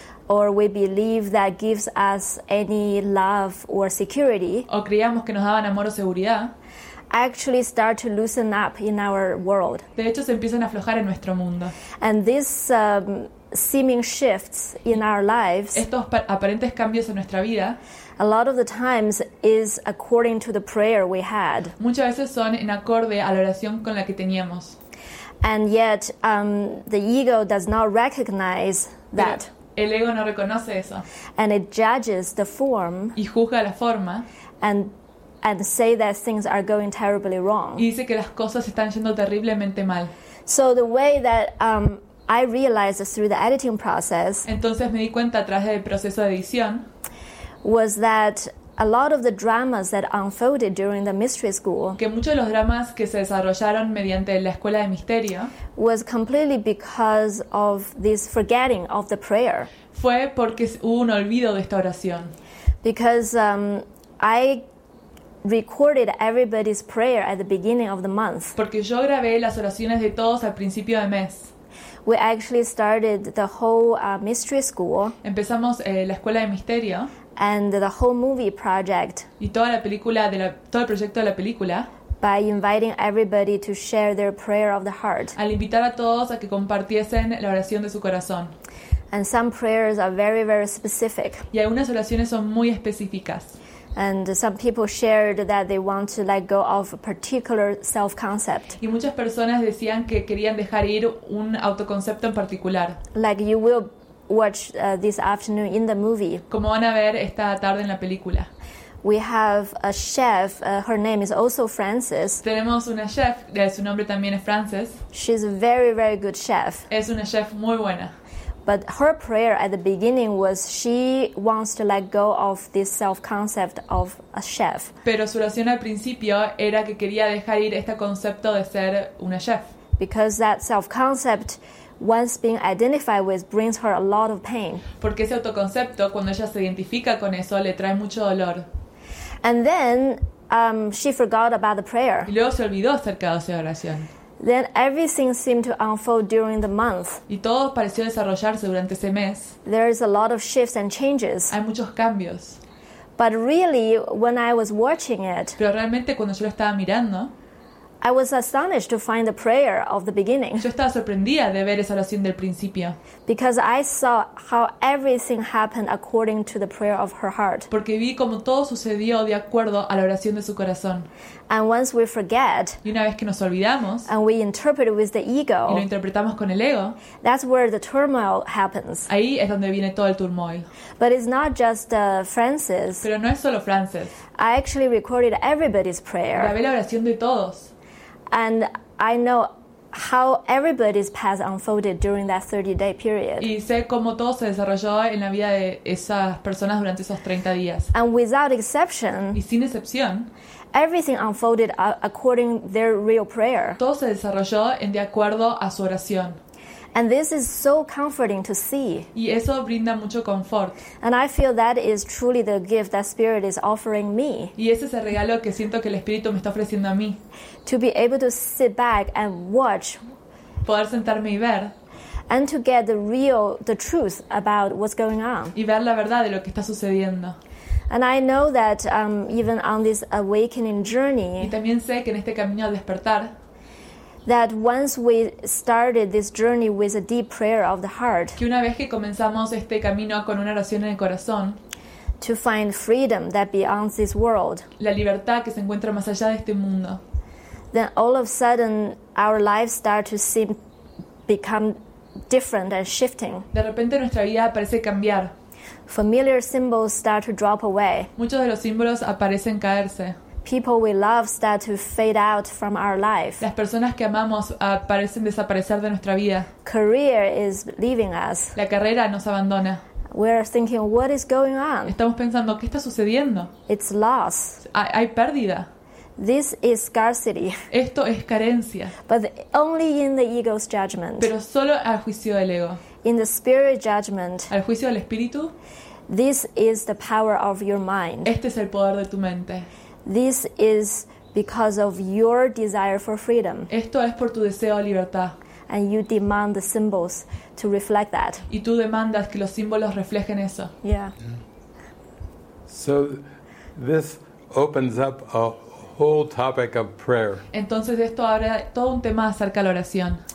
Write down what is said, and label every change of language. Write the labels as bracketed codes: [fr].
[en] Or we believe that gives us any love or security. [es] O creíamos que nos daban amor o seguridad. [en] Actually start to loosen up in our world. [es] De hecho se empiezan a aflojar en nuestro mundo. [en] And these seeming shifts in our lives. [es] Estos aparentes cambios en nuestra vida. [en] A lot of the times is according to the prayer we had. [es] Muchas veces son en acorde a la oración con la que teníamos. [en] And yet the ego does not recognize that. [es] El ego no reconoce eso. [en] And it judges the form. [es] Y juzga la forma. [en] And say that things are going terribly wrong. [es] Y dice que las cosas están yendo terriblemente mal. [en] So the way that I realized through the editing process. [es] Entonces me di cuenta a través del proceso de edición. [en] Was that a lot of the dramas that unfolded during the mystery school. [es] Que muchos de los dramas que se desarrollaron mediante la escuela de misterio. [en] Was completely because of this forgetting of the prayer. [es] Fue porque hubo un olvido de esta oración. [en] Because I recorded everybody's prayer at the beginning of the month. [es] Porque yo grabé las oraciones de todos al principio de mes. [en] We actually started the whole mystery school. [es] Empezamos la escuela de misterio. [en] And the whole movie project. [es] Y toda la película todo el proyecto de la película. [en] By inviting everybody to share their prayer of the heart. [es] Al invitar a todos a que compartiesen la oración de su corazón. [en] And some prayers are very, very specific. [es] Y algunas oraciones son muy específicas. [en] And some people shared that they want to let go of a particular self-concept. [es] Y muchas personas decían que querían dejar ir un autoconcepto en particular. [en] Like you will watch this afternoon in the movie. [es] Como van a ver esta tarde en la película. [en] We have a chef, her name is also Frances. [es] Tenemos una chef, su nombre también es Frances. [en] She's a very, very good chef. [es] Es una chef muy buena. [en] But her prayer at the beginning was she wants to let go of this self-concept of a chef. [es] Pero su oración al principio era que quería dejar ir este concepto de ser una chef. [en] Because that self-concept, once being identified with, brings her a lot of pain. [es] Porque ese autoconcepto, cuando ella se identifica con eso, le trae mucho dolor. [en] And then she forgot about the prayer. [es] Y luego se olvidó acerca de esa oración. [en] Then everything seemed to unfold during the month. [es] Y todo pareció desarrollarse durante ese mes. [en] There is a lot of shifts and changes. [es] Hay muchos cambios. [en] But really, when I was watching it, [es] pero realmente cuando yo lo estaba mirando, [en] I was astonished to find the prayer of the beginning. [es] Yo estaba sorprendida de ver esa oración del principio. [en] Because I saw how everything happened according to the prayer of her heart. [es] Porque vi como todo sucedió de acuerdo a la oración de su corazón. [en] And once we forget, [es] y una vez que nos olvidamos, [en] and we interpret with the ego, [es] y lo interpretamos con el ego, [en] that's where the turmoil happens. [es] Ahí es donde viene todo el turmoil. [en] But it's not just Francis. [es] Pero no es solo Francis. [en] I actually recorded everybody's prayer. [es] Grabé la oración de todos. [en] And I know how everybody's path unfolded during that 30-day period. [es] Y sé cómo todo se desarrolló en la vida de esas personas durante esos 30 días. [en] And without exception, [es] y sin excepción, [en] everything unfolded according to their real prayer. [es] Todo se desarrolló en de acuerdo a su oración. [en] And this is so comforting to see. [es] Y eso brinda mucho confort. [en] And I feel that is truly the gift that Spirit is offering me. [es] Y ese es el regalo que siento que el Espíritu me está ofreciendo a mí. [en] To be able to sit back and watch. [es] Poder sentarme y ver. [en] And to get the truth about what's going on. [es] Y ver la verdad de lo que está sucediendo. [en] And I know that even on this awakening journey. [es] Y también sé que en este camino al despertar. [en] That once we started this journey with a deep prayer of the heart, [es] que una vez que comenzamos este camino con una oración en el corazón, [en] to find freedom that beyond this world, [es] la libertad que se encuentra más allá de este mundo, [en] then all of a sudden our lives start to seem become different and shifting. [es] De repente nuestra vida parece cambiar. [en] Familiar symbols start to drop away. [es] Muchos de los símbolos aparecen caerse. [en] People we love start to fade out from our life. [es] Las personas que amamos parecen desaparecer de nuestra vida. [en] Career is leaving us. [es] La carrera nos abandona. [en] We're thinking, what is going on? [es] Estamos pensando, ¿qué está sucediendo? [en] It's loss. [es] Hay pérdida. [en] This is scarcity. [es] Esto es carencia. [en] But only in the ego's judgment. [es] Pero solo al juicio del ego. [en] In the spirit judgment. [es] Al juicio del espíritu. [en] This is the power of your mind. [es] Este es el poder de tu mente. [en] This is because of your desire for freedom. [es] Esto es por tu deseo de libertad. [en] And you demand the symbols to reflect that. [es] Y tú demandas que los símbolos reflejen eso. [en] Yeah. So this opens up a whole topic of prayer. [es] Entonces esto abre todo un tema acerca de la oración.